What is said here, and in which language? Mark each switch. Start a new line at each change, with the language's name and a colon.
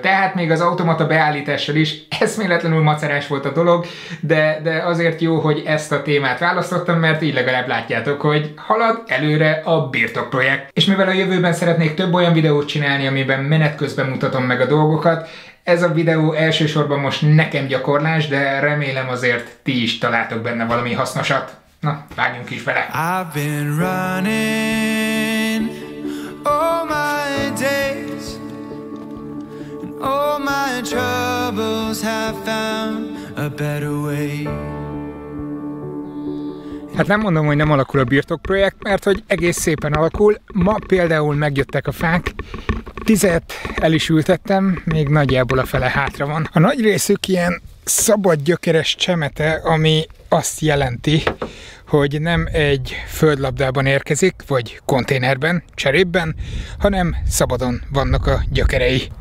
Hungarian: Tehát még az automata beállítással is eszméletlenül macerás volt a dolog, de azért jó, hogy ezt a témát választottam, mert így legalább látjátok, hogy halad előre a Birtok projekt. És mivel a jövőben szeretnék több olyan videót csinálni, amiben menet közben mutatom meg a dolgokat, ez a videó elsősorban most nekem gyakorlás, de remélem azért ti is találtok benne valami hasznosat. Na, vágjunk is bele!
English: I've been running all my days, and all my troubles have found a better way.
Hungarian: Hát nem mondom, hogy nem alakul a Birtok projekt, mert hogy egész szépen alakul. Ma például megjöttek a fák, 10-et el is ültettem, még nagyjából a fele hátra van. A nagy részük ilyen szabad gyökeres csemete, ami azt jelenti, hogy nem egy földlabdában érkezik, vagy konténerben, cserépben, hanem szabadon vannak a gyökerei.